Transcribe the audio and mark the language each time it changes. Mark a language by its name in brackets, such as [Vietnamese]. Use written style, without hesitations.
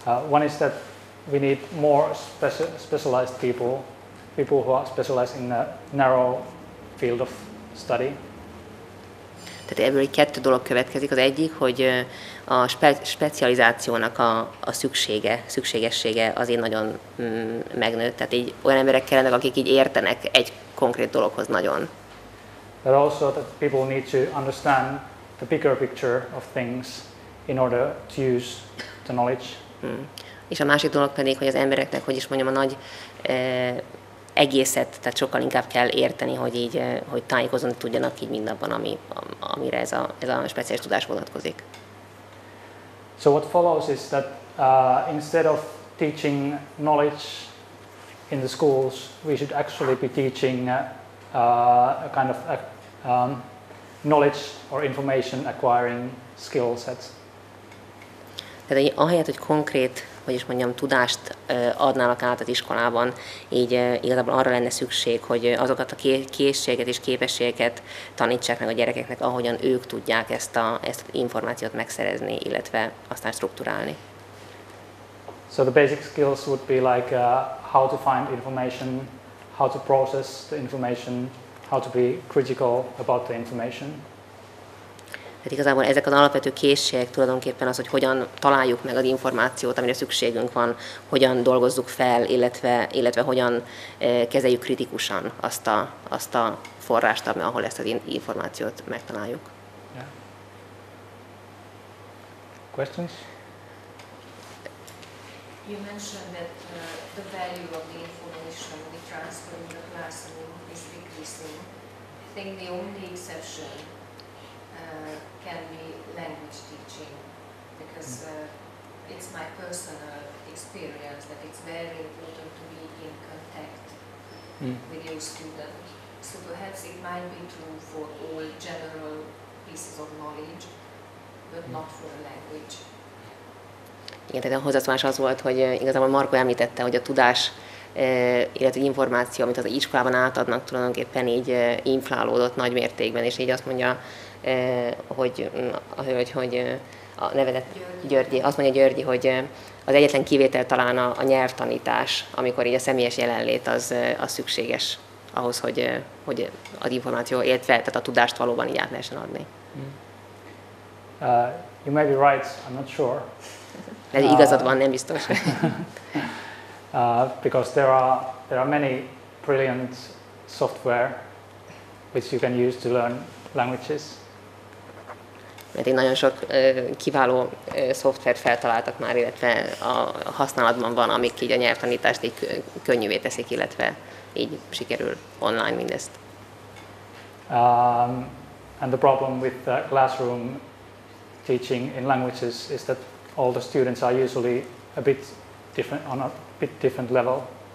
[English] One is that we need more specialized people who are specialized in a narrow field of study. [Hungarian] Tehát ebből egy kettő dolog következik. Az egyik, hogy a specializációnak a szükségessége azért nagyon megnőtt. Tehát így olyan emberek kellenek, akik így értenek egy konkrét dologhoz nagyon. [English] But also that people need to understand the bigger picture of things in order to use the knowledge. [Hungarian] És a másik dolog pedig, hogy az embereknek, hogy is mondjam, a nagy egészet, tehát sokkal inkább kell érteni, hogy így, hogy tájékozódni tudjanak így mindabban, amire ez a speciális tudás vonatkozik. [English] So what follows is that instead of teaching knowledge in the schools, we should actually be teaching a kind of knowledge or information acquiring skill sets. [Hungarian] Tehát ahelyett, hogy konkrét, hogy is mondjam, tudást adnának át az iskolában, így igazából arra lenne szükség, hogy azokat a készségeket és képességeket tanítsák meg a gyerekeknek, ahogyan ők tudják ezt az információt megszerezni, illetve aztán strukturálni. [English] So the basic skills would be like how to find information, how to process the information, how to be critical about the information. [Hungarian] Tehát igazából ezek az alapvető készségek tulajdonképpen az, hogy hogyan találjuk meg az információt, amire szükségünk van, hogyan dolgozzuk fel, illetve hogyan kezeljük kritikusan azt a forrást, ahol ezt az információt megtaláljuk. [English] Yeah. Questions? You mentioned that the value of the information we transfer in the classroom is decreasing. I think the only exception can be language teaching, because it's my personal experience that it's very important to be in contact with your student. So perhaps it might be true for all general pieces of knowledge, but not for a language. [Hungarian] Igen, tehát a hozzászólás az volt, hogy igazából Marko említette, hogy a tudás, illetve információ, amit az iskolában átadnak, tulajdonképpen így inflálódott nagy mértékben, és így azt mondja, hogy a hölgy, hogy a nevedet Györgyi, azt mondja Györgyi, hogy az egyetlen kivétel talán a nyelvtanítás, amikor így a személyes jelenlét az szükséges ahhoz, hogy az információ, illetve tehát a tudást valóban így át lehessen adni. [English] You may be right, I'm not sure. [Hungarian] De igazad van, nem biztos. [English] Because there are many brilliant software which you can use to learn languages. [Hungarian] mert én nagyon sok kiváló szoftvert feltaláltak már, illetve a használatban van, amik így a nyelvtanítást így könnyűvé teszik, illetve így sikerül online mindezt. [English] And the problem with the classroom teaching in languages is that all the students are usually a bit different, on a bit different level.